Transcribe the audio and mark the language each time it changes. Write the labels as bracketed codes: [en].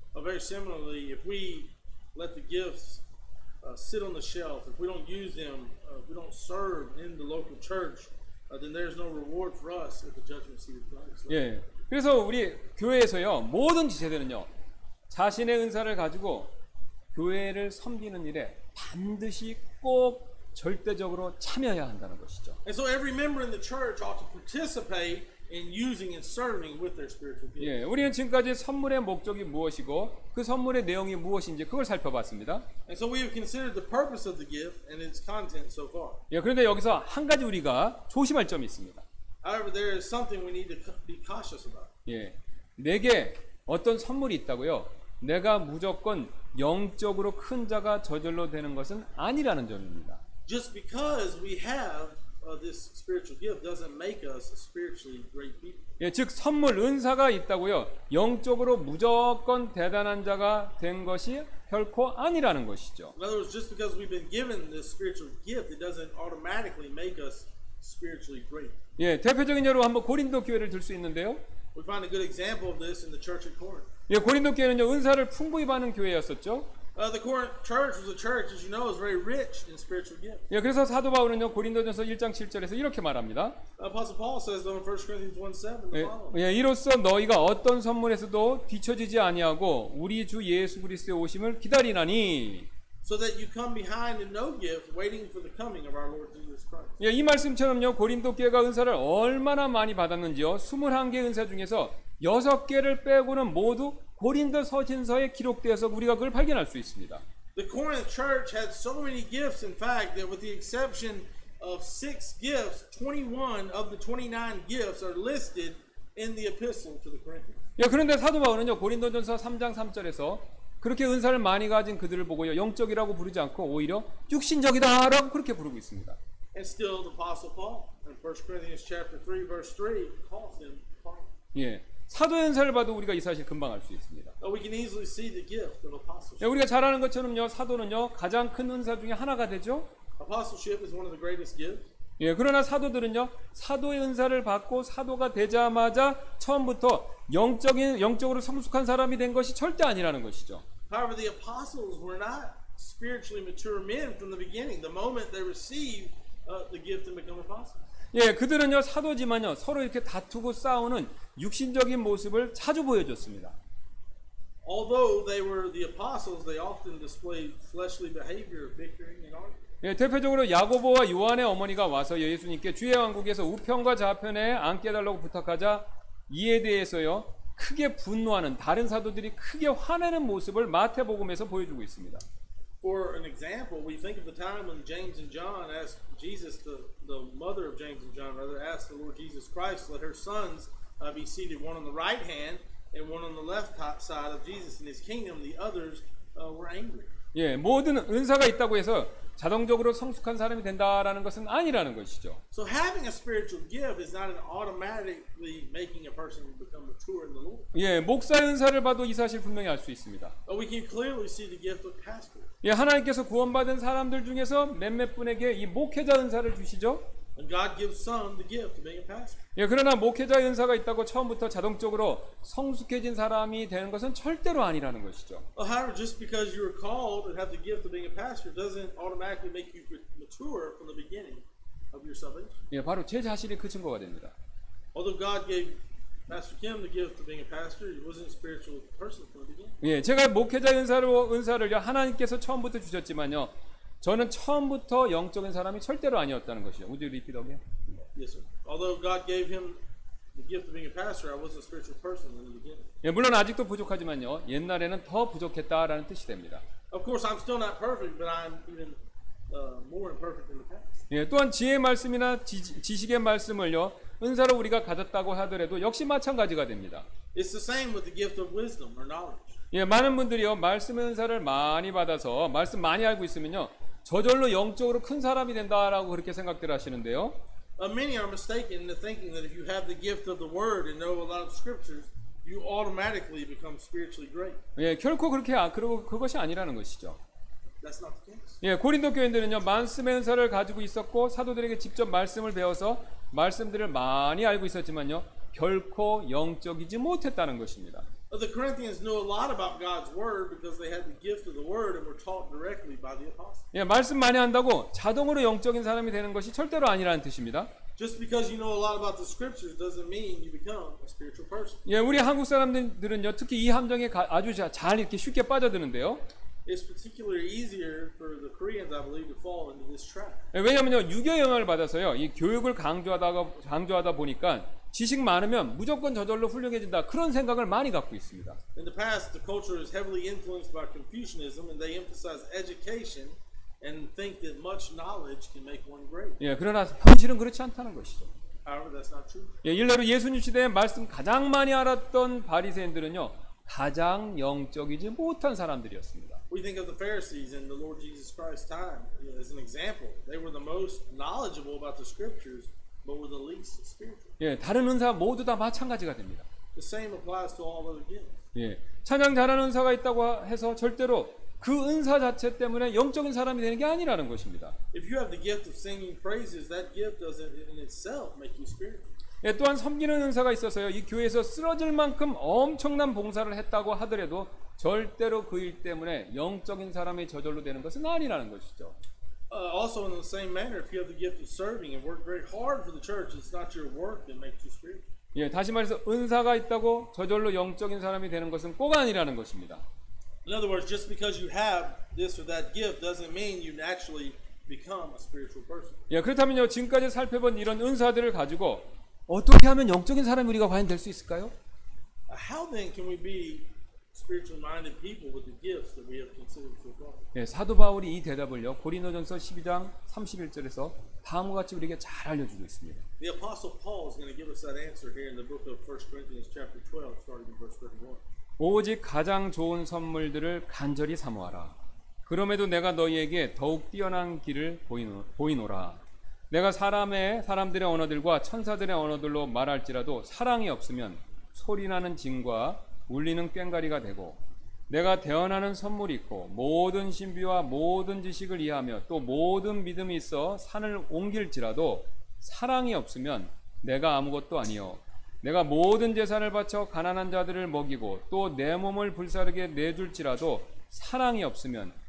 [en] Very similarly, if we let the gifts sit on the shelf, if we don't use them, if we don't serve in the local church, then there's no reward for us at the judgment seat of Christ. [ko] 예, 그래서 우리 교회에서요, 모든 지체들은요, 자신의 은사를 가지고 교회를 섬기는 일에 반드시 꼭 절대적으로 참여해야 한다는 것이죠. [en] And so every member in the church ought to participate in using and serving with their spiritual gifts. [ko] 예, 우리는 지금까지 선물의 목적이 무엇이고 그 선물의 내용이 무엇인지 그걸 살펴봤습니다. [en] And so we have considered the purpose of the gift and its content so far. [ko] 예, 그런데 여기서 한 가지 우리가 조심할 점이 있습니다. [en] However, there is something we need to be cautious about. [ko] 예, 내게 어떤 선물이 있다고요? 내가 무조건 영적으로 큰 자가 저절로 되는 것은 아니라는 점입니다. [en] Just because we have this spiritual gift doesn't make us spiritually great people. [ko] 예, 즉 선물 은사가 있다고요, 영적으로 무조건 대단한 자가 된 것이 결코 아니라는 것이죠. [en] In other words, just because we've been given this spiritual gift, it doesn't automatically make us spiritually great. [ko] 예, 대표적인 예로 한번 고린도 교회를 들 수 있는데요. [en] We find a good example of this in the church at Corinth. [ko] 예, 고린도 교회는요, 은사를 풍부히 받는 교회였었죠. [en] The Corinth church was a church, as you know, is very rich in spiritual gifts. [ko] 예, 그래서 사도 바울은요, 고린도전서 1장 7절에서 이렇게 말합니다. [en] Apostle Paul says in 1 Corinthians 1:7. [ko] 예, 이로써 너희가 어떤 선물에서도 뒤처지지 아니하고 우리 주 예수 그리스도의 오심을 기다리나니. [en] So that you come behind in no gift, waiting for the coming of our Lord Jesus Christ. [ko] 예, 이 말씀처럼요, 고린도 교회가 은사를 얼마나 많이 받았는지요, 21개 은사 중에서 6개를 빼고는 모두 고린도 서신서에 기록되어서 우리가 그걸 발견할 수 있습니다. [en] The Corinth church had so many gifts, in fact, that with the exception of 6 gifts, 21 of the 29 gifts are listed in the epistle to the Corinthians. [ko] 예, 그런데 사도 바울은요, 고린도전서 3장 3절에서 그렇게 은사를 많이 가진 그들을 보고요, 영적이라고 부르지 않고 오히려 육신적이다라고 그렇게 부르고 있습니다. [en] And still the apostle Paul in 1 Corinthians chapter 3 verse 3 calls him Paul. [ko] 예. 사도의 은사를 봐도 우리가 이 사실 금방 알 수 있습니다. [en] We can easily see the gift of apostleship. [ko] 예, 우리가 잘 아는 것처럼요, 사도는요, 가장 큰 은사 중에 하나가 되죠. [en] Apostleship is one of the greatest gifts. [ko] 예, 그러나 사도들은요, 사도의 은사를 받고 사도가 되자마자 처음부터 영적으로 성숙한 사람이 된 것이 절대 아니라는 것이죠. [en] However, the apostles were not spiritually mature men from the beginning, the moment they receive the gift and become apostles. [ko] 예, 그들은요 사도지만요 서로 이렇게 다투고 싸우는 육신적인 모습을 자주 보여줬습니다. [en] Although they were the apostles, they often displayed fleshly behavior, bickering and arguing. [ko] 예, 대표적으로 야고보와 요한의 어머니가 와서 예수님께 주의 왕국에서 우편과 좌편에 앉게 해달라고 부탁하자 이에 대해서요 크게 분노하는 다른 사도들이 크게 화내는 모습을 마태복음에서 보여주고 있습니다. [en] For an example, we think of the time when James and John asked Jesus, the mother of James and John rather, asked the Lord Jesus Christ, let her sons be seated one on the right hand and one on the left side of Jesus in his kingdom. The others were angry. [ko] 예, 모든 은사가 있다고 해서 자동적으로 성숙한 사람이 된다라는 것은 아니라는 것이죠. [en] So having a spiritual gift is not an automatically making a person become mature in the Lord. [ko] 예, 목사의 은사를 봐도 이 사실 분명히 알 수 있습니다. [en] But we can clearly see the gift of pastor. [ko] 예, 하나님께서 구원받은 사람들 중에서 몇몇 분에게 이 목회자 은사를 주시죠. [en] And God gives some the gift to being a pastor. [ko] 예, 그러나 목회자 은사가 있다고 처음부터 자동적으로 성숙해진 사람이 되는 것은 절대로 아니라는 것이죠. [en] Well, however, just because you are called and have the gift of being a pastor doesn't automatically make you mature from the beginning of your salvation. [ko] 예, 바로 제 자신이 그 증거가 됩니다. [en] Although God gave Pastor Kim the gift of being a pastor, he wasn't a spiritual person from the beginning. [ko] 예, 제가 목회자 은사를요 하나님께서 처음부터 주셨지만요. 저는 처음부터 영적인 사람이 절대로 아니었다는 것이죠. [en] Would you repeat again? Yes, sir. Although God gave him the gift of being a pastor, I wasn't a spiritual person in the beginning. [ko] 예, 물론 아직도 부족하지만요. 옛날에는 더 부족했다라는 뜻이 됩니다. [en] Of course, I'm still not perfect, but I'm even more imperfect than the past. [ko] 예, 또한 지혜의 말씀이나 지식의 말씀을요 은사로 우리가 가졌다고 하더라도 역시 마찬가지가 됩니다. [en] It's the same with the gift of wisdom or knowledge. [ko] 예, 많은 분들이요 말씀의 은사를 많이 받아서 말씀 많이 알고 있으면요 저절로 영적으로 큰 사람이 된다라고 그렇게 생각들 하시는데요. [en] Many are mistaken in thinking that if you have the gift of the word and know a lot of scriptures, you automatically become spiritually great. [ko] 예, 결코 그렇게 그리고 그것이 아니라는 것이죠. [en] That's not the case. [ko] 예, 고린도 교인들은요 말씀의 은사를 가지고 있었고 사도들에게 직접 말씀을 배워서 말씀들을 많이 알고 있었지만요 결코 영적이지 못했다는 것입니다. [en] The Corinthians knew a lot about God's word because they had the gift of the word and were taught directly by the apostles. [ko] 예, 말씀 많이 한다고 자동으로 영적인 사람이 되는 것이 절대로 아니라는 뜻입니다. [en] Just because you know a lot about the scriptures doesn't mean you become a spiritual person. [ko] 예, 우리 한국 사람들은요, 특히 이 함정에 아주 잘 이렇게 쉽게 빠져드는데요. [en] It's particularly easier for the Koreans, I believe, to fall into this trap. [ko] 예, 왜냐면요, 유교 영향을 받아서요, 이 교육을 강조하다 보니까 지식 많으면 무조건 저절로 훌륭해진다 그런 생각을 많이 갖고 있습니다. [en] In the past, the culture is heavily influenced by Confucianism, and they emphasize education and think that much knowledge can make one great. [ko] 예, 그러나 현실은 그렇지 않다는 것이죠. [en] However, that's not true. [ko] 예, 일례로 예수님 시대에 말씀 가장 많이 알았던 바리새인들은요 가장 영적이지 못한 사람들이었습니다. [en] We think of the Pharisees in the Lord Jesus Christ's time as an example. They were the most knowledgeable about the Scriptures. But with the least spiritual. [ko] 예, 다른 은사 모두 다 마찬가지가 됩니다. [en] The same applies to all other gifts. [ko] 예, 찬양 잘하는 은사가 있다고 해서 절대로 그 은사 자체 때문에 영적인 사람이 되는 게 아니라는 것입니다. [en] If you have the gift of singing praises, that gift doesn't in itself make you spiritual. [ko] 예, 또한 섬기는 은사가 있어서요, 이 교회에서 쓰러질 만큼 엄청난 봉사를 했다고 하더라도 절대로 그 일 때문에 영적인 사람이 저절로 되는 것은 아니라는 것이죠. [en] Also in the same manner, if you have the gift of serving and work very hard for the church, it's not your work that makes you spiritual. [ko] 예, 다시 말해서 은사가 있다고 저절로 영적인 사람이 되는 것은 꼭 아니라는 것입니다. [en] In other words, just because you have this or that gift doesn't mean you naturally become a spiritual person. [ko] 예, 그렇다면요, 지금까지 살펴본 이런 은사들을 가지고 어떻게 하면 영적인 사람이 우리가 과연 될 수 있을까요? [en] How then can we be spiritual-minded people with the gifts that we have considered so far. [ko] 예, 사도 바울이 이 대답을요 고린도전서 12장 31절에서 다음과 같이 우리에게 잘 알려주고 있습니다. [en] The apostle Paul is going to give us that answer here in the book of 1 Corinthians chapter 12, starting in verse 31. [ko] 오직 가장 좋은 선물들을 간절히 사모하라. 그럼에도 내가 너희에게 더욱 뛰어난 길을 보이노라. 내가 사람들의 언어들과 천사들의 언어들로 말할지라도 사랑이 없으면 소리나는 징과 울리는 꽹가리가 되고 내가 대언하는 선물이 있고 모든 신비와 모든 지식을 이해하며 또 모든 믿음이 있어 산을 옮길지라도 사랑이 없으면 내가 아무것도 아니요 내가 모든 재산을 바쳐 가난한 자들을 먹이고 또 내 몸을 불사르게 내줄지라도 사랑이 없으면